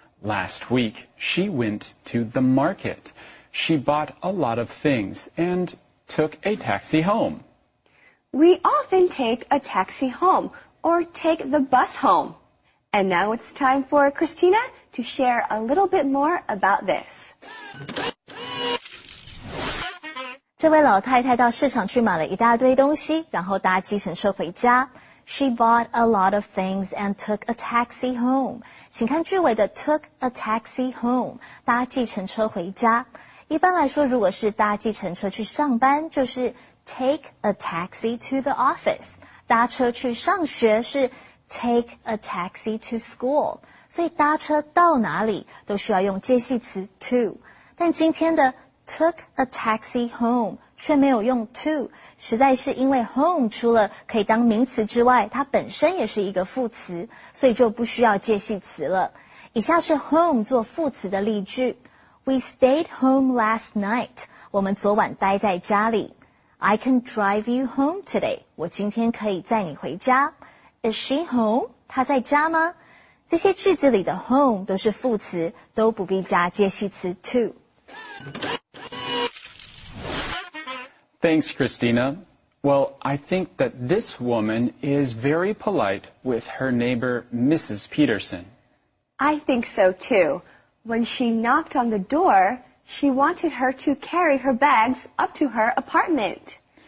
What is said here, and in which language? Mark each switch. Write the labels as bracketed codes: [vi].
[en] Last week, she went to the market. She bought a lot of things and took a taxi home. We often take a taxi home or take the bus home. And now it's time for Christina to share a little bit more about this. [zh] 这位老太太到市场去买了一大堆东西，然后搭计程车回家。 [en] She bought a lot of things and took a taxi home. [zh] 请看句尾的 [en] took a taxi home, [zh] 搭计程车回家。一般来说，如果是搭计程车去上班，就是 [en] take a taxi to the office. [zh] 搭车去上学是 [en] take a taxi to school. [zh] 所以搭车到哪里都需要用介系词 to。但今天的 [en] took a taxi home, [zh] 却没有用 to, 实在是因为 home 除了可以当名词之外，它本身也是一个副词，所以就不需要介系词了。以下是 home 做副词的例句。 [en] We stayed home last night. [zh] 我们昨晚待在家里。 [en] I can drive you home today. [zh] 我今天可以载你回家。 [en] Is she home? [zh] 她在家吗？这些句子里的 home 都是副词，都不必加介系词 to。 [en] Thanks, Christina. Well, I think that this woman is very polite with her neighbor, Mrs. Peterson. I think so, too. When she knocked on the door, she wanted her to carry her bags up to her apartment.